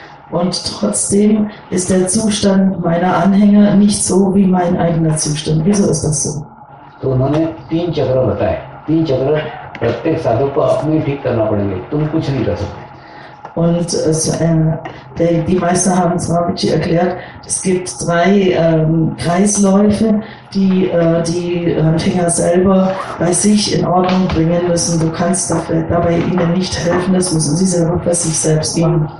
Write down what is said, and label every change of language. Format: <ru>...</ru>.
<de>Und trotzdem ist der Zustand meiner Anhänger nicht so wie mein eigener Zustand. Wieso ist das so?</de> <hi>तो उन्होंने तीन चक्र बताए तीन चक्र प्रत्येक साधु को अपने ठीक करना पड़ेंगे तुम कुछ नहीं कर सकते</hi> <de>und die Meister haben Swamiji erklärt es gibt drei Kreisläufe die Anfänger selber bei sich in Ordnung bringen müssen du kannst dabei ihnen nicht helfen das müssen sie selber bei sich selbst machen</de>